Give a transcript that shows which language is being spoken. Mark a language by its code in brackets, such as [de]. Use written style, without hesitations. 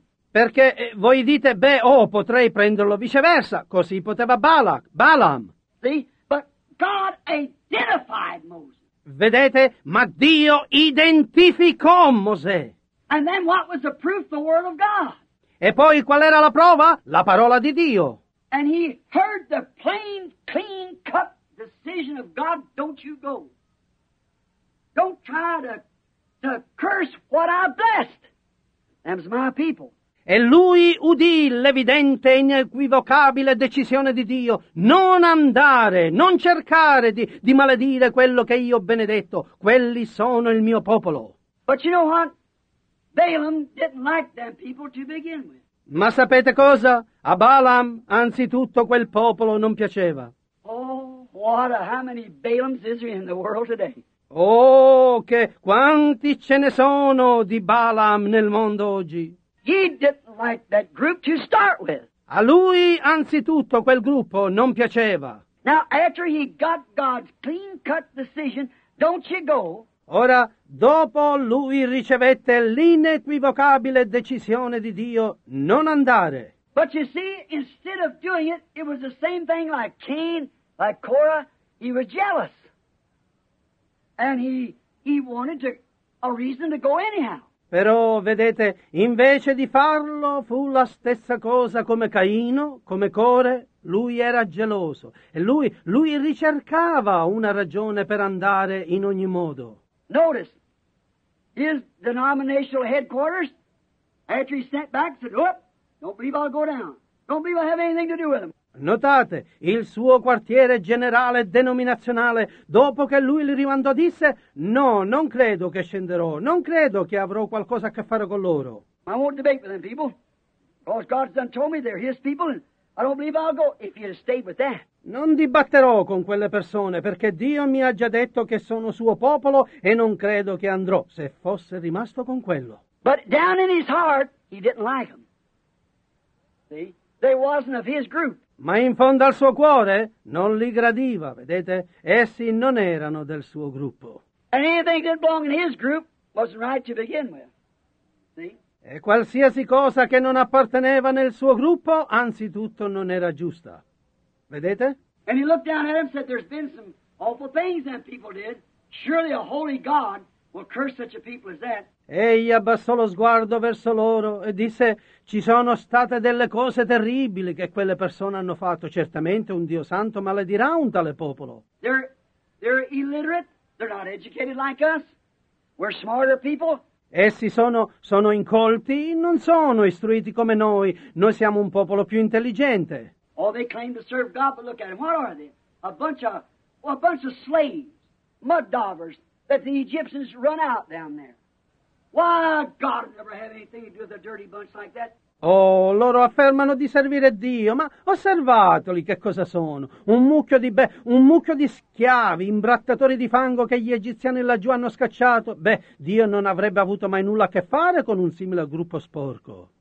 [it] Perché voi dite, potrei prenderlo viceversa, così poteva Balaam. [en] But God identified Moses. [it] Vedete, ma Dio identificò Mosè. [en] And then what was the proof? The word of God. [it] E poi qual era la prova? La parola di Dio. [en] And he heard the plain, clean cut decision of God, "Don't you go. Don't try to curse what I blessed. Them's my people." [it] E lui udì l'evidente e inequivocabile decisione di Dio, non andare, non cercare di maledire quello che io ho benedetto, quelli sono il mio popolo. [en] But you know what? Balaam didn't like them people to begin with. [it] Ma sapete cosa? A Balaam, anzitutto, quel popolo non piaceva. [en] Oh, how many Balaams is there in the world today? [it] Oh, che quanti ce ne sono di Balaam nel mondo oggi? [en] He didn't like that group to start with. [it] A lui, anzitutto, quel gruppo non piaceva. [en] Now, after he got God's clean-cut decision, "Don't you go." [it] Ora, dopo lui ricevette l'inequivocabile decisione di Dio, non andare. [en] But you see, instead of doing it, it was the same thing like Cain, like Korah. He was jealous. And he wanted a reason to go anyhow. [it] Però, vedete, invece di farlo, fu la stessa cosa come Caino, come Core, lui era geloso. E lui ricercava una ragione per andare in ogni modo. [en] Notice, his denominational headquarters, after he sent back, said, "Oop, don't believe I'll go down. Don't believe I'll have anything to do with him." [it] Notate, il suo quartiere generale denominazionale, dopo che lui li rimandò, disse, "No, non credo che scenderò, non credo che avrò qualcosa a che fare con loro." [en] I won't debate with them people, because God's done told me they're his people, and I don't believe I'll go if you'd stay with that. [it] Non dibatterò con quelle persone, perché Dio mi ha già detto che sono suo popolo, e non credo che andrò, se fosse rimasto con quello. [en] But down in his heart, he didn't like them. See, they wasn't of his group. [it] Ma in fondo al suo cuore non li gradiva, vedete? Essi non erano del suo gruppo. [en] And anything that belonged in his group wasn't right to begin with. See? [it] E qualsiasi cosa che non apparteneva nel suo gruppo, anzitutto non era giusta. Vedete? [en] And he looked down at him and said, "There's been some awful things that people did. Surely a holy God will curse such a people as that." [it] Egli abbassò lo sguardo verso loro e disse, "Ci sono state delle cose terribili che quelle persone hanno fatto. Certamente un Dio santo maledirà un tale popolo." [en] They're illiterate. They're not educated like us. We're smarter people. [it] Essi sono incolti, non sono istruiti come noi. Noi siamo un popolo più intelligente. [en] Oh, they claim to serve God, but look at them. What are they? A bunch of slaves, mud daubers that the Egyptians run out down there. Why, God would never have anything to do with a dirty bunch like that. [it] Oh, loro affermano di servire Dio, ma osservatoli che cosa sono. Un mucchio di schiavi, imbrattatori di fango che gli egiziani laggiù hanno scacciato. Beh, Dio non avrebbe avuto mai nulla a che fare con un simile gruppo sporco.